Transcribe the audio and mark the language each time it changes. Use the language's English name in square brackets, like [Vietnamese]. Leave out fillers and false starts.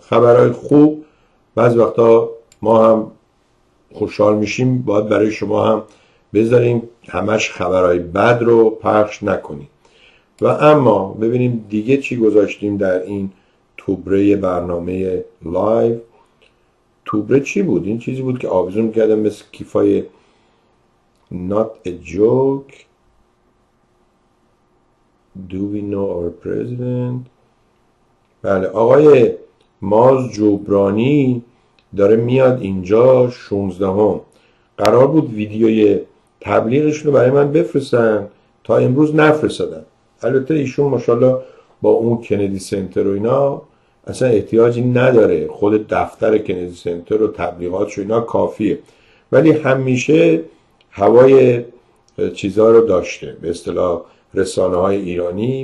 [Persian] خبرهای خوب بعض وقتا ما هم خوشحال میشیم، باید برای شما هم بذاریم، همش خبرهای بد رو پخش نکنیم. و اما ببینیم دیگه چی گذاشتیم در این توبره برنامه لایو. توبره چی بود؟ این چیزی بود که آویزون کردم مثل کیفای [English] Not a joke. Do we know our president? [Persian] بله، آقای ماز جبرانی داره میاد اینجا 16 هم. قرار بود ویدیوی تبلیغشون رو برای من بفرستن، تا امروز نفرستادن. البته ایشون ماشاءالله با اون کندی سنتر و اینا اصلا احتیاجی نداره، خود دفتر کندی سنتر و تبلیغاتش و اینا کافیه، ولی همیشه هوای چیزها رو داشته به اصطلاح رسانه های ایرانی.